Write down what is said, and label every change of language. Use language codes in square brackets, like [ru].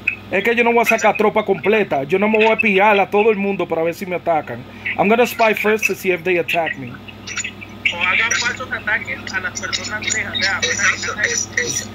[es] Es que yo no voy a sacar tropa completa. Yo no me voy a pillar a todo el mundo para ver si me atacan. [en] I'm going to spy first to see if they attack me. [es] O hagan falsos ataques a las personas lejas.